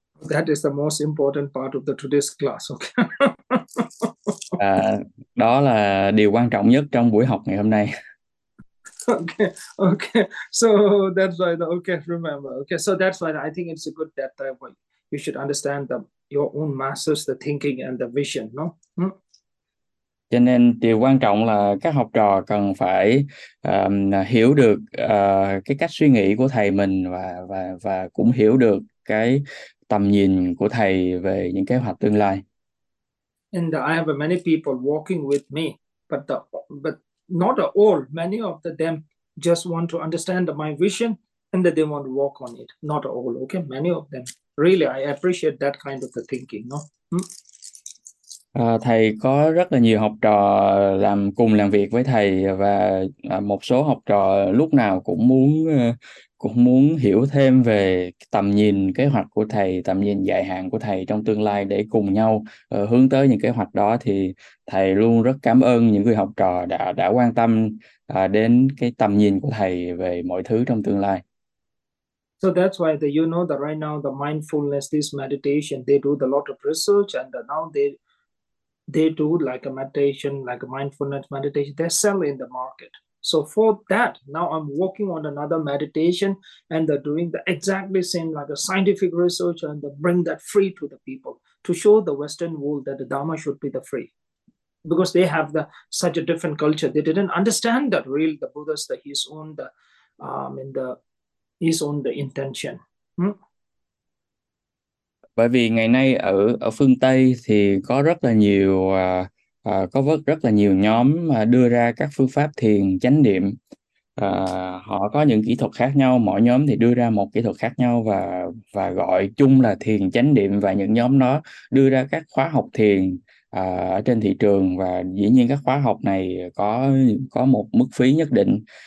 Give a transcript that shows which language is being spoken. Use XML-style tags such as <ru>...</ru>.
<en>That is the most important part of the today's class,</en> <vi>Đó là điều quan trọng nhất trong buổi học ngày hôm nay.</vi> <en>okay. So that's why the okay, remember. Okay, so that's why I think it's a good that time where you should understand the your own masters, the thinking and the vision, no?</en> <vi>Cho nên điều quan trọng là các học trò cần phải hiểu được cái cách suy nghĩ của thầy mình, và cũng hiểu được cái tầm nhìn của thầy về những kế hoạch tương lai.</vi> <en>And I have many people walking with me, but not all. Many of them just want to understand my vision and that they want to walk on it. Not all, okay? Many of them. Really, I appreciate that kind of the thinking, no?</en> <vi>Thầy có rất là nhiều học trò làm việc với thầy, và một số học trò lúc nào cũng muốn hiểu thêm về tầm nhìn kế hoạch của thầy, tầm nhìn dài hạn của thầy trong tương lai, để cùng nhau hướng tới những kế hoạch đó. Thì thầy luôn rất cảm ơn những người học trò đã quan tâm đến cái tầm nhìn của thầy về mọi thứ trong tương lai.</vi> <en>So that's why the you know that right now the mindfulness, this meditation, they do the lot of research and now they do like a meditation, like a mindfulness meditation, they sell in the market. So for that, now I'm working on another meditation and they're doing the exactly same like a scientific research and they bring that free to the people to show the Western world that the Dharma should be the free. Because they have the such a different culture. They didn't understand that really the Buddha's the his own the in the is on the intention.</en> <vi>Bởi vì ngày nay ở ở phương Tây thì có rất là nhiều rất là nhiều nhóm mà đưa ra các phương pháp thiền chánh niệm. Họ có những kỹ thuật khác nhau, mỗi nhóm thì đưa ra một kỹ thuật khác nhau và gọi chung là thiền chánh niệm, và những nhóm đó đưa ra các khóa học thiền ở trên thị trường, và dĩ nhiên các khóa học này có một mức phí nhất định.</vi>